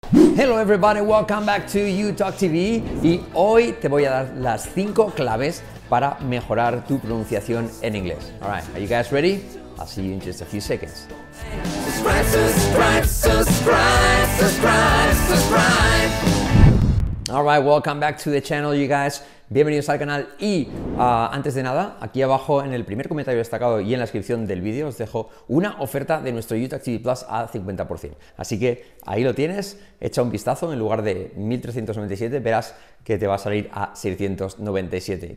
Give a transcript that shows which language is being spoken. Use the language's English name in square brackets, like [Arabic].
[English] Hello everybody, welcome back to UTalk TV [Spanish] y hoy te voy a dar las 5 claves para mejorar tu pronunciación en inglés. [English] All right, are you guys ready? I'll see you in just a few seconds. All right, welcome back to the channel, you guys. [Spanish] Bienvenidos al canal y antes de nada, aquí abajo en el primer comentario destacado y en la descripción del vídeo os dejo una oferta de nuestro UTalk TV Plus a 50%. Así que ahí lo tienes, echa un vistazo, en lugar de 1.397 verás que te va a salir a 697.